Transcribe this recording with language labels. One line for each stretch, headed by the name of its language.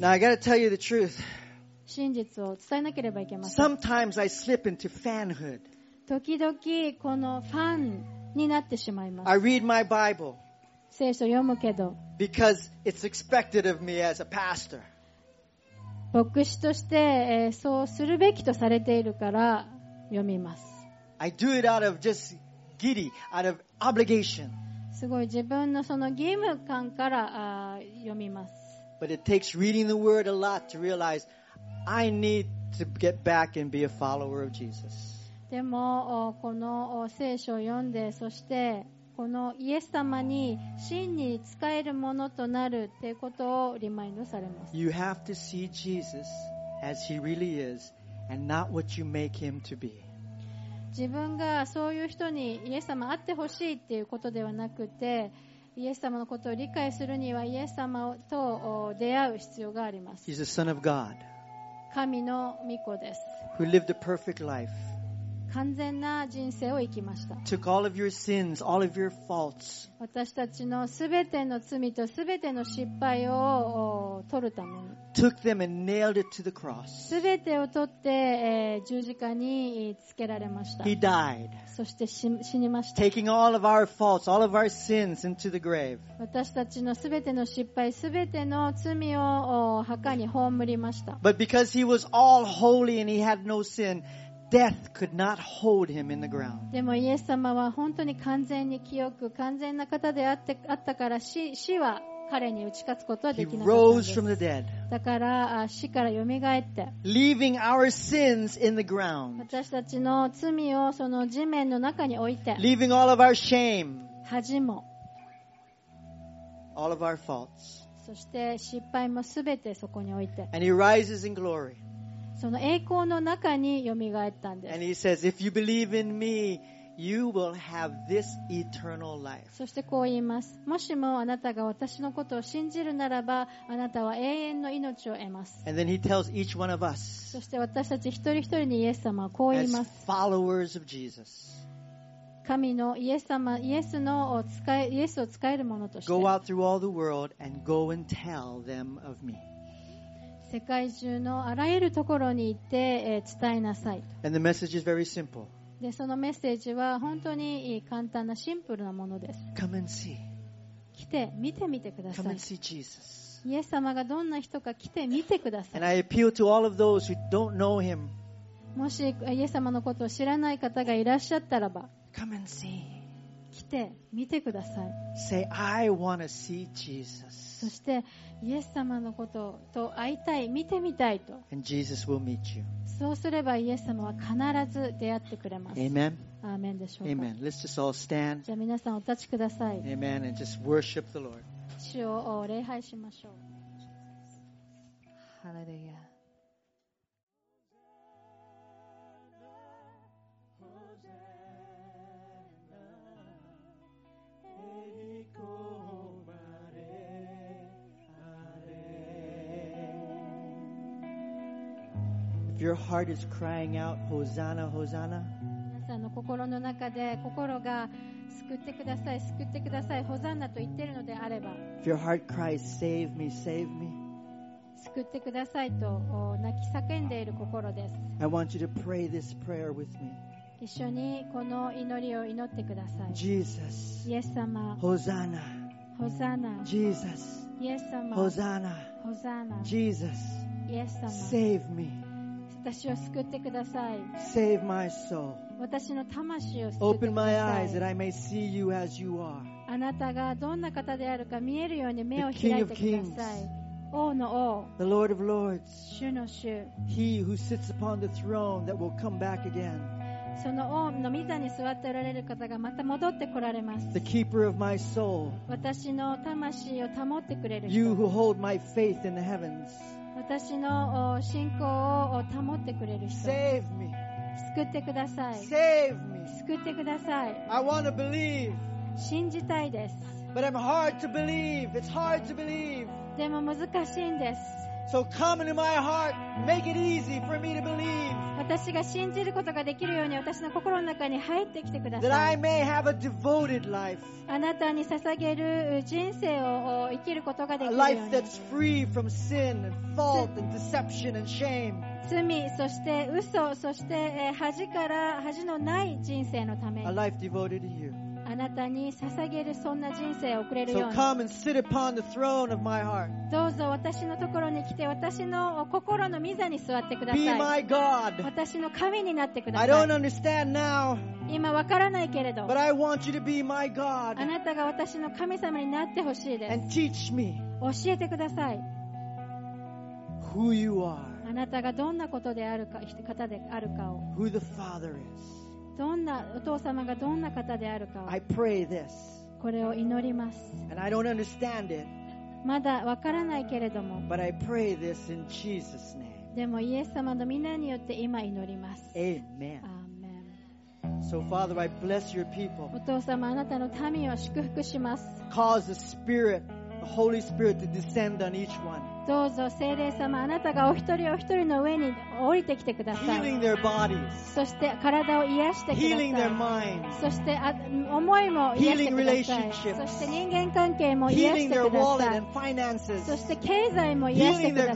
English: Now, I gotta tell you the truth.
Japanese: 真実を伝えなければいけません。
English: Sometimes I slip into fanhood.
Japanese: 時々このファンになってしまいます。
English: I read my Bible.
Japanese: 聖書読むけど。
English: Because it's expected of me as a pastor.
Japanese: 牧師として、そうするべきとされているから読みます。
English: I do it out of just giddy, out of obligation.
Japanese: すごい自分のその義務感から読みます。
English: But it takes reading the word a lot to realize I need to get back and be a follower of Jesus.
Japanese: でもこの聖書を読んで、そしてこのイエス様に真に仕えるものとなるっていうことをリマインドされます。
English: You have to see Jesus as he really is and not what you make him to be.
Japanese: 自分がそういう人にイエス様会ってほしいっていうことではなくて、イエス様のことを理解するにはイエス様と出会う必要があります。
English: He's the Son of God.
Japanese: 神の御子です。
English: Who lived a perfect life.
Japanese: 完全な人生を生きました。
English: Took all of your sins, all of your faults.
Japanese: 私たちのすべての罪とすべての失敗を取るために、
English: Took them and nailed it to the cross.
Japanese: 全てを取って、十字架につけられました。
English: He died.
Japanese: そして死にました。
English: Taking all of our faults, all of our sins into the grave.
Japanese: 私たちの全ての失敗、全ての罪を墓に葬りました。
English: But because he was all holy and he had no sin, death could not hold him in the ground.
Japanese: でもイエス様は本当に完全に清く、完全な方であって、あったから死は彼に打ち勝つことはできなかったんです。だから死から蘇って
English: Leaving our sins in the ground.
Japanese: 私たちの罪をその地面の中に置いて
English: Leaving all of our shame.
Japanese: 恥も
English: All of our faults.
Japanese: そして失敗もすべてそこに置いて
English: And he rises in glory.
Japanese: その栄光の中に蘇ったんです。
English: And he says, if you believe in me, you will have this eternal life.
Japanese: そしてこう言います。もしもあなたが私のことを信じるならば、あなたは永遠の命を得ます。
English: And then he tells each one of us.
Japanese: そして私たち一人一人にイエス様はこう言います。
English: As followers of Jesus.
Japanese: 神のイエス様、イエスのを使え、イエスを使えるものとして。
English: Go out through all the world and go and tell them of me.
Japanese: 世界中のあらゆるところに行って伝えなさいと。
English: And the message is very simple.
Japanese: で、そのメッセージは本当に簡単なシンプルなものです。
English: Come and see.
Japanese: 来て見てみてください。
English: Come and see Jesus.
Japanese: イエス様がどんな人か来てみてください。
English: And I appeal to all of those who don't know him.
Japanese: もしイエス様のことを知らない方がいらっしゃったらば、
English: Come and see.
Japanese: 来て見てください。
English: Say, I want to see Jesus.
Japanese: そしてイエス様のことと会いたい、見てみたいと。
English: And Jesus will meet you.
Japanese: そうすればイエス様は必ず出会ってくれます。
English: Amen.
Japanese: アーメンでしょうか。
English: Amen. Let's just all stand.
Japanese: じゃあ皆さんお立ちください。
English: Amen. And just worship the Lord.
Japanese: 主を礼拝しましょう。ハレルヤ。
English: If your heart is crying out, Hosanna, Hosanna.
Japanese: 皆さんの心の中で心が救ってください、救ってください、Hosanna と言っているのであれば、
English: If your heart cries, save me, save me.
Japanese: 救ってくださいと泣き叫んでいる心です。
English: I want you to pray this prayer with me.
Japanese: 一緒にこの祈りを祈ってください。
English: Jesus.
Japanese: イエス様。
English: Hosanna.
Japanese: Hosanna.
English: Jesus.
Japanese: イエス様。
English: Hosanna.
Japanese: Hosanna.
English: Jesus.
Japanese: イエス様。
English: Save me.
Japanese: 私を救ってください。
English: Save my soul.
Japanese: 私の魂を救ってください。
English: Open my eyes that I may see you as you are.
Japanese: あなたがどんな方であるか見えるように目を開いてください。王の王。
English: The Lord of Lords.
Japanese: 主の主。
English: He who sits upon the throne that will come back again.
Japanese: その王の御座に座っておられる方がまた戻ってこられます。
English: The keeper of my soul.
Japanese: 私の魂を保ってくれる人。
English: You who hold my faith in the heavens.
Japanese: 私の信仰を保ってくれる人。
English: Save me.
Japanese: 救ってください。
English: Save me.
Japanese: 救ってください。
English: I want to believe.
Japanese: 信じたいです。
English: But I'm hard to believe. It's hard to believe.
Japanese: でも難しいんです。
English: So come into my heart. Make it easy for me to believe.
Japanese: 私が信じることができるように私の心の中に入ってきてください。
English: That I may have a devoted life.
Japanese: あなたに捧げる人生を生きることができるように。
English: A life that's free from sin and fault and deception and shame.
Japanese: 罪、そして嘘、そして恥から恥のない人生のために。
English: A life devoted to you.
Japanese: あなたに捧げるそんな人生を送れるように。
English: So come and sit upon the throne of my heart.
Japanese: どうぞ私のところに来て私の心の御座に座ってください。
English: Be my God.
Japanese: 私の神になってください。
English: I don't understand now.
Japanese: 今わからないけれど。
English: But I want you to be my God.
Japanese: あなたが私の神様になってほしいです。
English: And teach me.
Japanese: 教えてください。
English: Who you are.
Japanese: あなたがどんなことであるか、方であるかを。
English: Who the Father is.
Japanese: どんなお父様がどんな方であるかを
English: I pray this.
Japanese: これを祈ります
English: And I don't understand it.
Japanese: まだわからないけれども
English: But I pray this in Jesus' name.
Japanese: でもイエス様の皆によって今祈ります
English: Amen. Amen. So, Father, I bless your people.
Japanese: お父様あなたの民を祝福します
English: Cause the Spirit, the Holy Spirit to descend on each one.
Japanese: どうぞ聖霊様あなたがお一人お一人の上に降りてきてください
English: Healing their bodies.
Japanese: そして体を癒してください
English: Healing their minds.
Japanese: そして思いも癒してください
English: Healing relationships.
Japanese: そして人間関係も癒してください
English: Healing their wallet and finances.
Japanese: そして経済も癒してください